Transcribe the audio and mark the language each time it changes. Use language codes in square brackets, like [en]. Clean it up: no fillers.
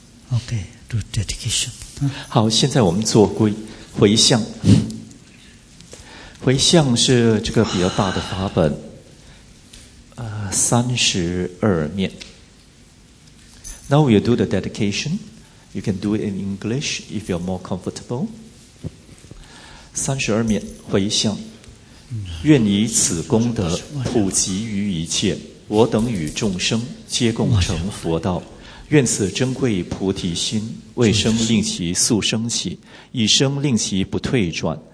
[en] OK, do dedication. [zh] 好，现在我们做回向。回向是这个比较大的法本，32面。 [en] Now we'll do the dedication. You can do it in English if you're more comfortable. [zh] 32面回向，愿以此功德普及于一切，我等与众生皆共成佛道。愿此珍贵菩提心，为生令其速生起，以生令其不退转。